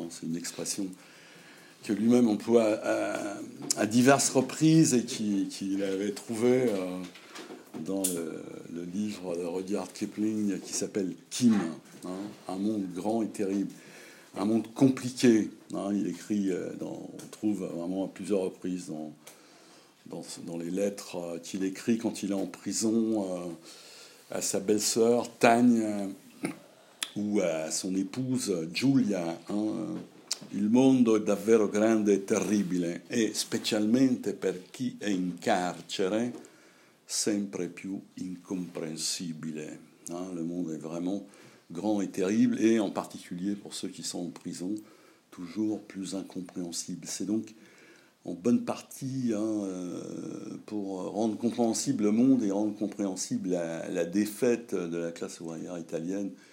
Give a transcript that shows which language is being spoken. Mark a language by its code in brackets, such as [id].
[fr] Hein, c'est une expression que lui-même emploie à diverses reprises et qui l'avait trouvé dans le livre de Rudyard Kipling qui s'appelle Kim, hein, un monde grand et terrible, un monde compliqué. Hein, il écrit, on trouve vraiment à plusieurs reprises dans les lettres qu'il écrit quand il est en prison à sa belle-sœur Tania ou à son épouse Julia. [it] Hein, il mondo è davvero grande e terribile, e specialmente per chi è in carcere, sempre più incomprensibile. [fr] Hein, le monde est vraiment grand et terrible, et en particulier pour ceux qui sont en prison, toujours plus incompréhensible. C'est donc en bonne partie hein, pour rendre compréhensible le monde et rendre compréhensible la défaite de la classe ouvrière italienne.